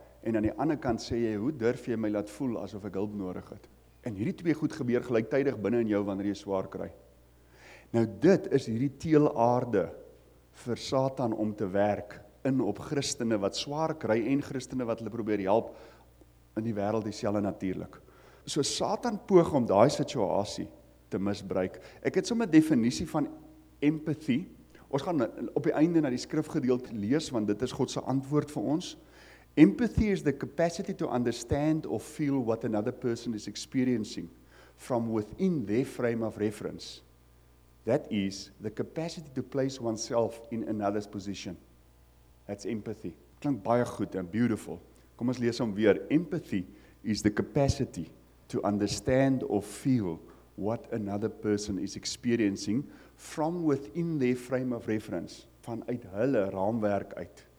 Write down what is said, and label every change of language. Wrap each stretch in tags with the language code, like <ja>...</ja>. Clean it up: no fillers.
<af>En aan die ander kant sê jy, hoe durf jy my laat voel asof ek hulp nodig het? En hierdie twee goed gebeur gelyktydig binne in jou wanneer jy swaar kry. Nou dit is hierdie teelaarde vir Satan om te werk in op Christene wat swaar kry en Christene wat hulle probeer help in die wêreld dieselfde natuurlik. So Satan poog om daai situasie te misbruik. Ek het sommer 'n definisie van empathy. Ons gaan op die einde na die skrifgedeelte lees want dit is God se antwoord vir ons.</af> <en>Empathy is the capacity to understand or feel what another person is experiencing from within their frame of reference. That is the capacity to place oneself in another's position. That's empathy.</en> <af>Klink baie goed en beautiful. Kom ons lees hom weer.</af> <en>Empathy is the capacity to understand or feel what another person is experiencing from within their frame of reference,</en> <af>vanuit hulle raamwerk uit.</af>